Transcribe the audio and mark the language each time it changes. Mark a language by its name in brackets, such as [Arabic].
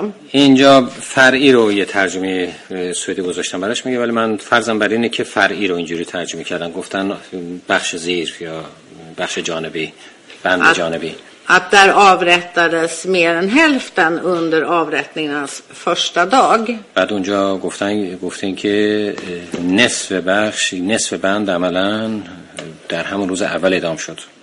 [Persian] اینجا فرعی رو یه ترجمه سویدی گذاشتم براش، میگه ولی من فرضم بر اینه که فرعی رو اینجوری ترجمه کردن، گفتن بخش زیر یا بخش جانبی، بند جانبی. [Swedish] Att där avrättades mer än hälften under avrättningens första dag. [Persian] بعد اونجا گفتن که نصف بخش، نصف بند عملا در همون روز اول اعدام شد.